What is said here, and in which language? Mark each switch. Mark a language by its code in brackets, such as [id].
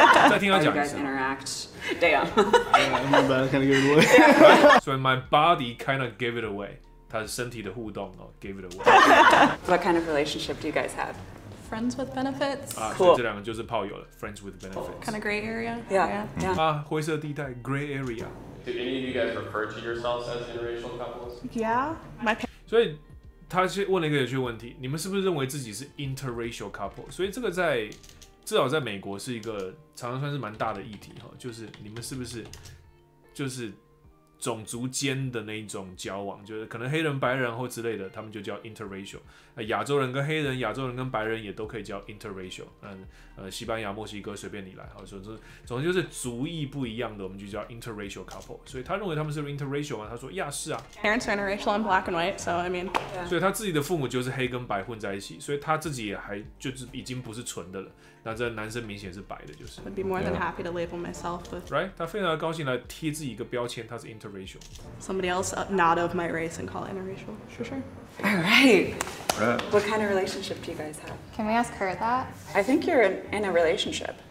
[zh] 再听他讲一次。 [en] Are you guys interact? Damn. Yeah, I'm not bad, kind of giving [zh] away. 所以 [en] my body kind of gave it away， [zh] 他的身体的互动哦 [en] gave it away。 What kind of relationship do you guys have? Friends with benefits. Ah, cool. [zh] 这两个就是炮友了 [en] Friends with benefits. Kind of gray area. Yeah. [zh] Yeah. 啊，灰色地带 gray area. [en] Do any of you guys refer to yourselves as interracial couples? Yeah. My. [zh] 所以他先问了一个有趣问题：你们是不是认为自己是 interracial couple？所以这个在至少在美国是一个常常算是蛮大的议题哈，就是你们是不是就是种族间的那种交往，就是可能黑人、白人或之类的，他们就叫 interracial。亚洲人跟黑人，亚洲人跟白人也都可以叫 interracial。西班牙、墨西哥随便你来，好，总之就是族裔不一样的，我们就叫 interracial couple。所以他认为他们是 interracial 吗？他说呀，是啊。 [en] Parents are interracial, I'm black and white, so I mean.、Yeah. [zh] 所以他自己的父母就是黑跟白混在一起，所以他自己也还就是已经不是纯的了。那这男生明显是白的，就是。 [en] I'd be more than happy to label myself with. Right? [zh] 他非常高兴来贴自己一个标签，他是 interracial. [en] Somebody else not of my race and call interracial. Sure, sure. All right. What kind of relationship do you guys have? Can we ask her that? I think you're in a relationship.